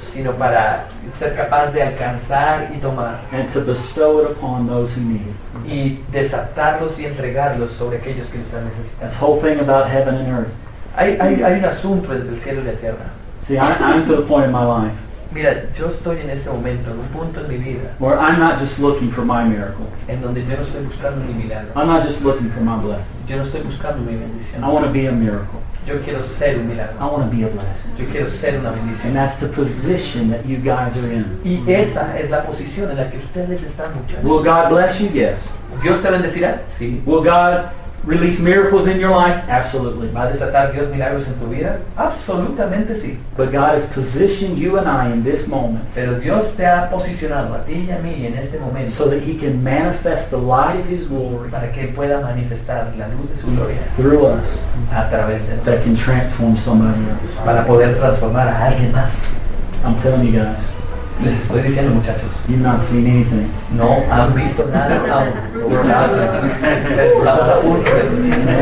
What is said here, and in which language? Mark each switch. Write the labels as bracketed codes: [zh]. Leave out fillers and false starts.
[es] Sino para ser capaz de alcanzar y tomar. [en] And to bestow it upon those who need it. [es] Y desatarlos y entregarlos sobre aquellos que los están necesitando. [en] This whole thing about heaven and earth. [es] Hay un asunto entre el cielo y la tierra. [en] See, I'm to the point in my life. [es] Mira, yo estoy en este momento, en un punto en mi vida. [en] Where I'm not just looking for my miracle. [es] En donde yo no estoy buscando mi milagro. [en] I'm not just looking for my blessing. [es] Yo no estoy buscando mi bendición. [en] I want to be a miracle. [es] Yo quiero ser un milagro. [en] I want to be a blessing. [es] Yo quiero ser una bendición. [en] And that's the position that you guys are in. [es] Y esa es la posición en la que ustedes están luchando. [en] Will God bless you? Yes. [es] ¿Dios te bendecirá? Sí. [en] Will God release miracles in your life? Absolutely. [es] ¿Va a desatar Dios milagros en tu vida? Absolutamente sí. [en] But God has positioned you and I in this moment. [es] Pero Dios te ha posicionado a ti y a mí en este momento. [en] So that He can manifest the light of His glory. [es] Para que pueda manifestar la luz de su gloria. [en] Through us. [es] A través de. [en] That can transform somebody else. [es] Para poder transformar a alguien más. [en] I'm telling you guys. [es] Les estoy diciendo, muchachos. [en] You've not seen anything. [es] No, han visto nada. Estamos a punto de venir.